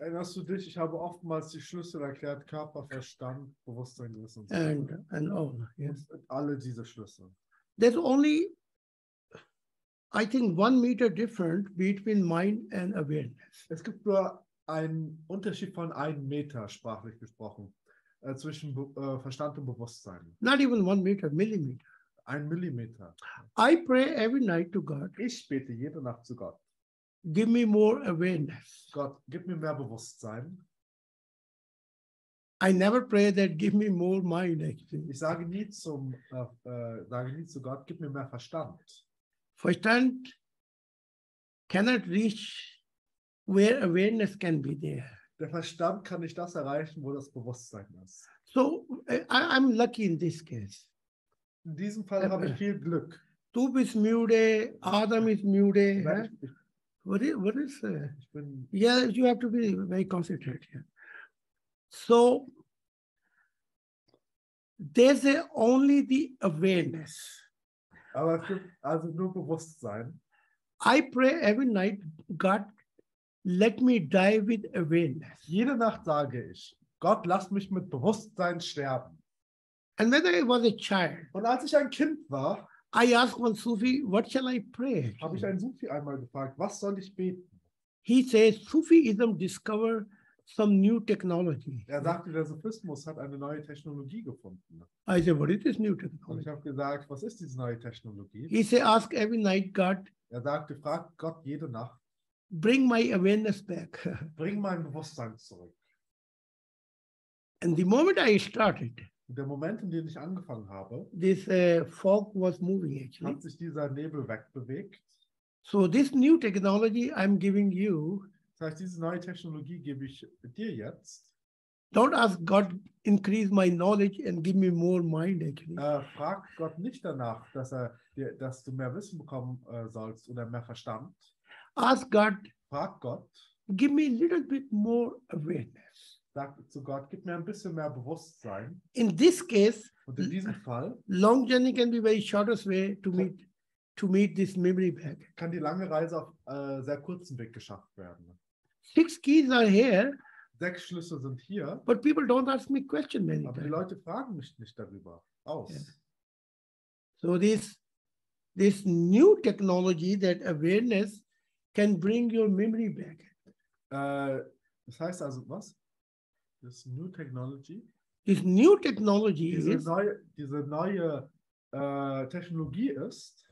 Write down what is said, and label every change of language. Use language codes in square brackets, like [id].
[de] Erinnerst du dich? Ich habe oftmals die Schlüssel erklärt: Körper, Verstand, Bewusstsein, Wissen. [en] And all. Yes. [de] Und alle diese Schlüssel. [en] There's only, I think, 1 meter different between mind and awareness. [de] Es gibt nur ein Unterschied von 1 Meter, sprachlich gesprochen, zwischen Verstand und Bewusstsein. [en] Not even 1 meter, Millimeter. [de] 1 Millimeter. [en] I pray every night to God. [de] Ich bete jede Nacht zu Gott. [en] Give me more awareness. [de] Gott, gib mir mehr Bewusstsein. [en] I never pray that give me more mind, actually. [de] Ich sage nie zum, sage nie zu Gott, gib mir mehr Verstand. [en] Verstand cannot reach where awareness can be there. [de] Der Verstand kann nicht das erreichen, wo das Bewusstsein ist. [en] So, I'm lucky in this case. [de] In diesem Fall habe ich viel Glück. Du bist müde, Adam ist müde. [en] You have to be very concentrated. Yeah. So, there's only the awareness. [de] Aber es gibt also nur Bewusstsein. [en] I pray every night, God, let me die with awareness. [de] Jede Nacht sage ich, Gott, lass mich mit Bewusstsein sterben. [en] And when I was a child, [de] und als ich ein Kind war, [en] I asked one Sufi, what shall I pray? [de] Habe ich einen Sufi einmal gefragt, was soll ich beten? [en] He says, Sufism discover some new technology. [de] Er sagte, der Sophismus hat eine neue Technologie gefunden. [en] I said, what is this new technology? [de] Und ich habe gesagt, was ist diese neue Technologie? [en] He said, ask every night God. [de] Er sagte, frag Gott jede Nacht. [en] Bring my awareness back. [de] Bring mein Bewusstsein zurück. [en] And the moment I started, [de] der Moment, in dem ich angefangen habe, [en] this fog was moving actually. [de] Hat sich dieser Nebel wegbewegt. [en] So this new technology I'm giving you. [de] Das heißt, diese neue Technologie gebe ich dir jetzt. [en] Don't ask God increase my knowledge and give me more mind actually. [de] Frag Gott nicht danach, dass du mehr Wissen bekommen sollst oder mehr Verstand. [en] Ask God. [de] Frag Gott. [en] Give me a little bit more awareness. [de] Sag zu Gott, gib mir ein bisschen mehr Bewusstsein. [en] In this case, [de] und in diesem Fall, [en] long journey can be very shortest way to meet this memory back. [de] Kann die lange Reise auf sehr kurzen Weg geschafft werden. [en] 6 keys are here. [de] 6 Schlüssel sind hier. [en] But people don't ask me question many times. [de] Aber die Leute fragen mich nicht darüber aus. [en] Yeah. So this new technology that awareness can bring your memory back. [de] Das heißt also was? [en] This new technology. This new technology [de] diese neue Technologie ist.